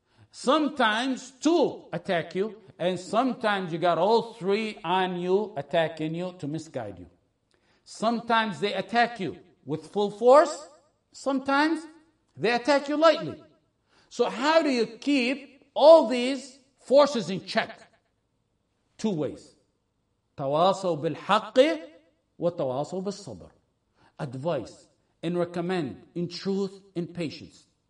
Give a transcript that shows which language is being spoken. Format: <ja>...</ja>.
<en>Sometimes two attack you. And sometimes you got all three on you, attacking you to misguide you. Sometimes they attack you with full force. Sometimes they attack you lightly. So how do you keep all these forces in check? Two ways.</en> <ar>تواصل بالحق وتواصل بالصبر.</ar> <en>Advise and recommend in truth and patience.</en>